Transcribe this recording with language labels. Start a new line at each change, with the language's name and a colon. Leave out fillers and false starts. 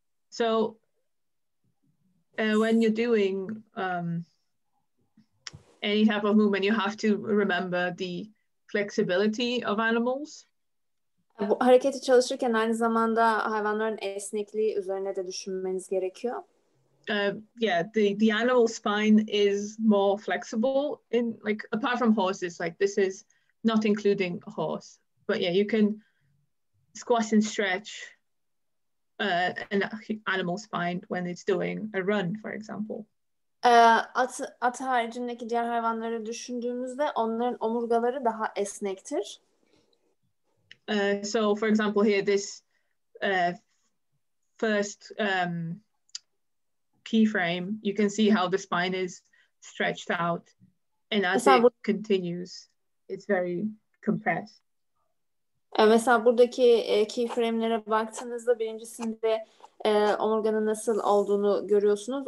English: So when you're doing any type of movement, you have to remember the flexibility of animals.
Turkish: Bu hareketi çalışırken aynı zamanda hayvanların esnekliği üzerine de düşünmeniz gerekiyor.
English: The animal spine is more flexible in, like, apart from horses, like this is not including a horse. But yeah, you can squat and stretch an animal spine when it's doing a run, for example.
Turkish: At haricindeki diğer hayvanları düşündüğümüzde onların omurgaları daha esnektir.
English: So for example here, this first keyframe, you can see how the spine is stretched out, and as
Turkish: mesela
English: it continues, it's very compressed.
Turkish: Mesela buradaki keyframe'lere baktığınızda birincisinde omurganın nasıl olduğunu görüyorsunuz.